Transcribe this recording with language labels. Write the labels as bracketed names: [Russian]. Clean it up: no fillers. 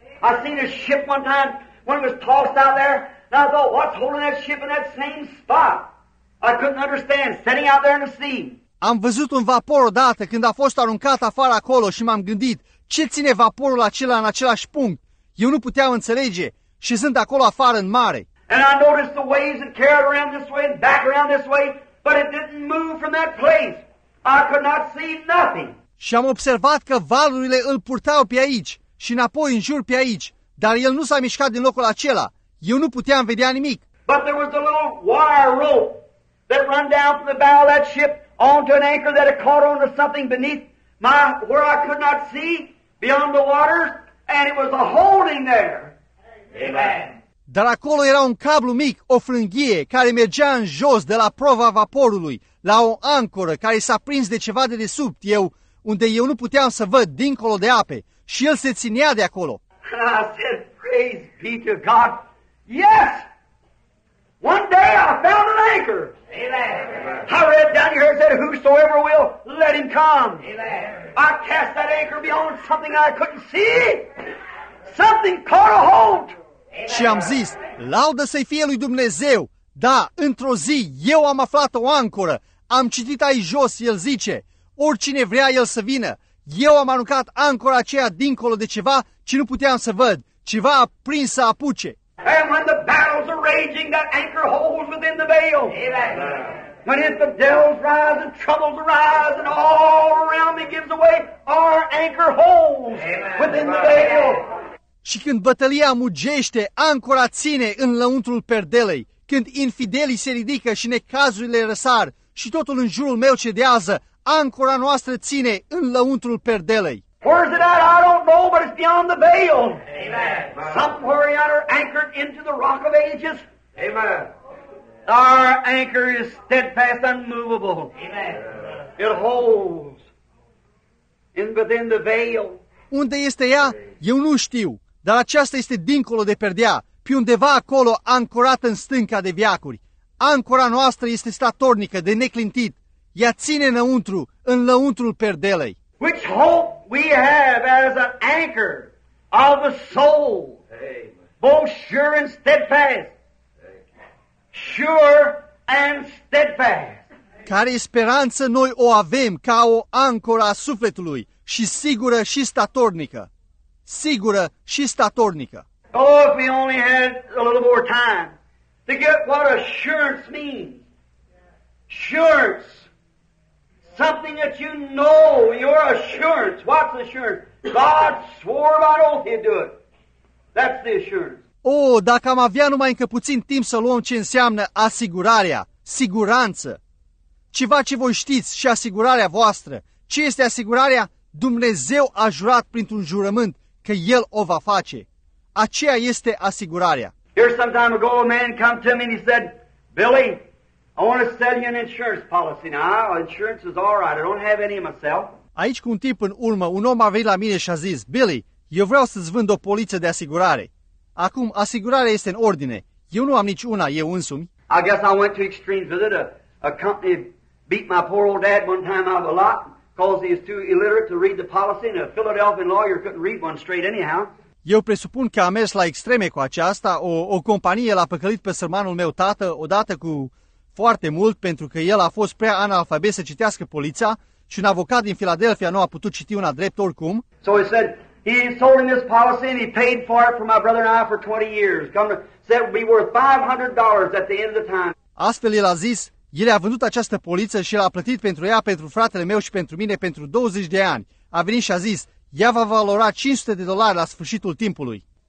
[English] I seen a ship one time when it was tossed out there, and I thought, what's holding that ship in that same spot? I couldn't understand, sitting out there in the sea. [Romanian] Am văzut un vapor odată când a fost aruncat afară acolo și m-am gândit, ce ține vaporul acela în același punct? Eu nu puteam înțelege și sunt acolo afară în mare. [English] And I noticed the waves that carried around this way and back around this way, but it didn't move from that place. I could not see nothing. [Romanian] Și am observat că valurile îl purtau pe aici și înapoi în jur pe aici, dar el nu s-a mișcat din locul acela. Eu nu puteam vedea nimic. [English] But there was a little wire rope that run down from the bow of that ship onto an anchor that had caught onto something beneath my where I could not see beyond the waters, and it was a holding there. Amen. [Romanian] Dar acolo era un cablu mic, o frânghie, care mergea în jos de la proa vaporului, la o ancoră care s-a prins de ceva de desubt eu, unde eu nu puteam să văd dincolo de ape, și el se ținea de acolo. [English] I said, praise be to God. Yes! One day I found an anchor. Amen. I read down here and said, whosoever will, let him come. Amen. I cast that anchor beyond something I couldn't see. Something caught a hold. [Romanian] Și am zis, laudă să-i fie lui Dumnezeu. Da, într-o zi, eu am aflat o ancoră. Am citit aici jos, el zice, oricine vrea el să vină. Eu am aruncat ancora aceea dincolo de ceva ce nu puteam să văd. Ceva a prins să apuce. [English] And when the battles are raging, that anchor holds within the veil. Amen. When infidels rise and troubles arise and all around me gives away, our anchor holds. Amen. Within the veil. [Romanian] Și când bătălia mugește, ancora ține în lăuntrul perdelei. Când infidelii se ridică și necazurile răsar și totul în jurul meu cedează, ancora noastră ține în lăuntrul perdelei. [English] Where is it at? I don't know, but it's beyond the veil. Amen. Somewhere out or anchored into the rock of ages. Amen. Our anchor is steadfast, unmovable. Amen. It holds in within the veil. [Romanian] Unde este ea? Eu nu știu, dar aceasta este dincolo de perdea, pe undeva acolo ancorată în stânca de veacuri. Ancora noastră este statornică, de neclintit. Ea ține înăuntru, în lăuntrul perdelei. [English] Which hope we have as an anchor of the soul, both sure and steadfast. Sure and steadfast. [Romanian] Care speranță noi o avem ca o ancoră a sufletului și sigură și statornică. Sigură și statornică. [English] Oh, if we only had a little more time to get what assurance means. Assurance. Something that you know, your assurance. What's assurance? God swore by oath he'd do it. That's the assurance. [Romanian] Oh, dacă am avea numai încă puțin timp să luăm ce înseamnă asigurarea, siguranță. Ceva ce voi știți și asigurarea voastră. Ce este asigurarea? Dumnezeu a jurat printr-un jurământ că El o va face. Aceea este asigurarea. [English] Here some time ago a man came to me and he said, Billy, I want to sell you an insurance policy now. Insurance is all right. I don't have any myself. [Romanian] Aici cu un tip în urmă, un om a venit la mine și a zis, Billy, eu vreau să-ți vând o poliță de asigurare. Acum, asigurarea este în ordine. Eu nu am nici una, eu însumi. [English] I guess I went to extremes with it. A company beat my poor old dad one time out of a lot because he is too illiterate to read the policy and a Philadelphia lawyer couldn't read one straight anyhow. [Romanian] Eu presupun că a mers la extreme cu aceasta. O companie l-a păcălit pe sărmanul meu tată odată cu foarte mult pentru că el a fost prea analfabet să citească poliția și un avocat din Philadelphia nu a putut citi una drept oricum. [English] So he said he sold him this policy and he paid for it for my brother and I for 20 years. Said it would be worth $500 at the end of the time. [Romanian] Astfel el a zis, el a vândut această poliță și l-a plătit pentru ea, pentru fratele meu și pentru mine pentru 20 de ani. A venit și a zis, ea va valora $500 la sfârșitul timpului.